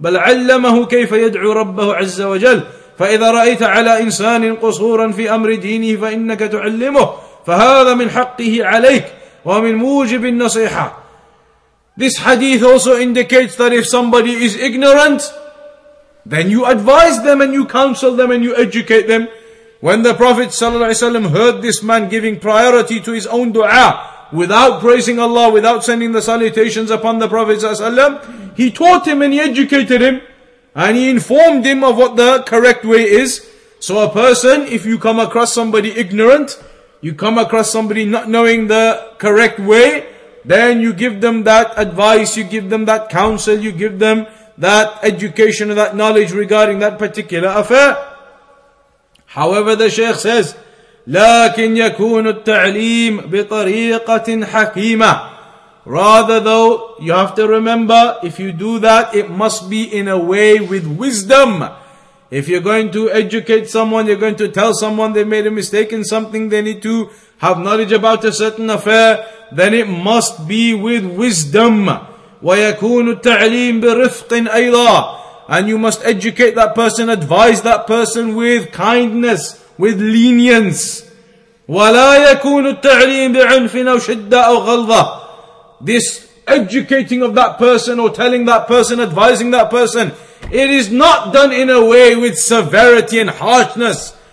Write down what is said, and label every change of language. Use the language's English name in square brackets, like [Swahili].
[Arabic] بل علمه كيف يدعو ربه عز وجل. فإذا رأيت على إنسان قصورا في أمر دينه فإنك تعلمه، فهذا من حقه عليك ومن موجب النصيحة. [English] This hadith also indicates that if somebody is ignorant, then you advise them and you counsel them and you educate them. When the Prophet ﷺ heard this man giving priority to his own dua, without praising Allah, without sending the salutations upon the Prophet ﷺ, he taught him and he educated him, and he informed him of what the correct way is. So a person, if you come across somebody ignorant, you come across somebody not knowing the correct way, then you give them that advice, you give them that counsel, you give them that education and that knowledge regarding that particular affair. However, the Shaykh says, [Arabic] لكن يكون التعليم بطريقة حكيمة. [English] Rather though, you have to remember, if you do that, it must be in a way with wisdom. If you're going to educate someone, you're going to tell someone they made a mistake in something, they need to have knowledge about a certain affair, then it must be with wisdom. [Arabic] وَيَكُونُ التَّعْلِيمُ بِرِفْقٍ أَيْضًا. [English] And you must educate that person, advise that person with kindness, with lenience. [Arabic] وَلَا يَكُونُ التَّعْلِيمُ بِعُنْفٍ أَوْ شِدَّةٍ أَوْ غَلْظَةٍ. [English] This educating of that person, or telling that person, advising that person, it is not done in a way with severity and harshness.